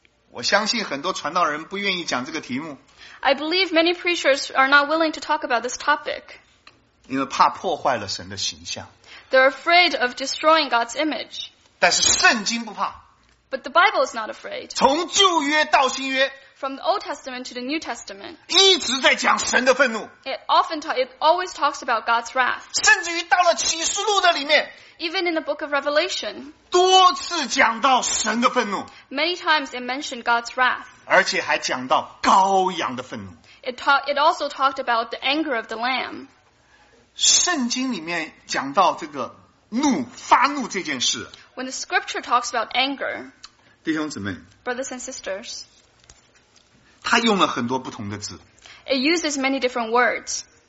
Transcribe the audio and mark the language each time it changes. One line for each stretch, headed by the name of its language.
Chinese: 我相信很多传道人不愿意讲这个题目。
English: I believe many preachers are not willing to talk about this topic.
Chinese: 因为怕破坏了神的形象。
English: They're afraid of destroying God's image.
Chinese: 但是圣经不怕。
English: But the Bible is not afraid.
Chinese: 从旧约到新约。
English: From the Old Testament to the New Testament.
Chinese: 一直在讲神的愤怒。
English: It always talks about God's wrath.
Chinese: 甚至于到了启示录的里面。
English: Even in the book of Revelation,
Chinese: 多次讲到神的愤怒。
English: Many times it mentioned God's wrath.
Chinese: 而且还讲到羔羊的愤怒。
English: It also talked about the anger of the lamb.
Chinese: 圣经里面讲到这个怒，发怒这件事。
English: When the scripture talks about anger,
Chinese: 弟兄姊妹，
English: brothers and sisters,
Chinese: 他用了很多不同的字。
English: It uses many different words.